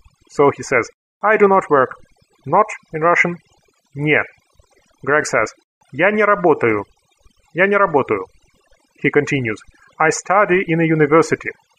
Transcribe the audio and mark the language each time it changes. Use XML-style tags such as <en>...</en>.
<en>So he says, I do not work. Not in Russian?</en> <ru>Не.</ru> <en>Greg says,</en> <ru>я не работаю. Я не работаю.</ru> <en>He continues, I study in a university.</en>